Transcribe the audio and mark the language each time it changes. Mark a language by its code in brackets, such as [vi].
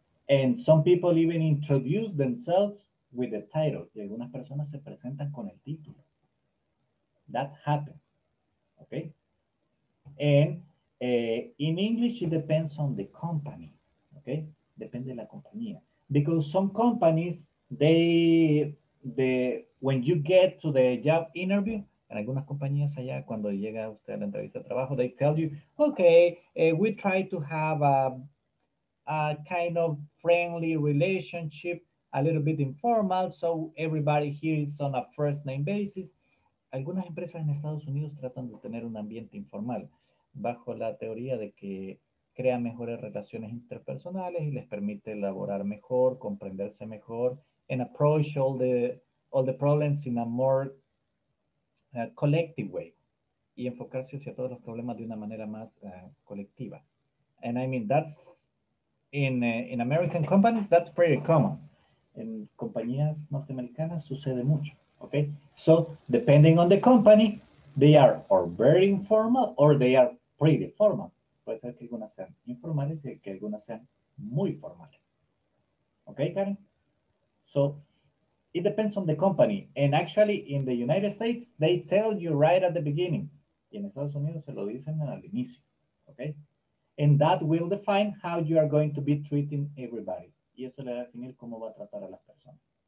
[en] And some people even introduce themselves with the title. [es] Y algunas personas se presentan con el título. [en] That happens. Okay? And in English, it depends on the company. Okay? [es] Depende de la compañía. [en] Because some companies, when you get to the job interview, [es] en algunas compañías allá, cuando llega usted a la entrevista de trabajo, [en] they tell you, okay, we try to have a kind of friendly relationship, a little bit informal, so everybody here is on a first name basis. [es] Algunas empresas en Estados Unidos tratan de tener un ambiente informal, bajo la teoría de que crea mejores relaciones interpersonales y les permite elaborar mejor, comprenderse mejor, [en] and approach all the problems in a more collective way. [es] Y enfocarse hacia todos los problemas de una manera más colectiva. [en] And I mean, that's in American companies, that's pretty common. [es] En compañías norteamericanas sucede mucho, okay? [en] So, depending on the company, they are or very informal or they are pretty formal. [es] Puede ser que algunas sean informales y que algunas sean muy formales. [en] Okay, Karen? So, it depends on the company. And actually, in the United States, they tell you right at the beginning. [es] Y en Estados Unidos se lo dicen al inicio. [en] Okay? And that will define how you are going to be treating everybody. [es] Y eso le va a definir cómo va a tratar a las personas.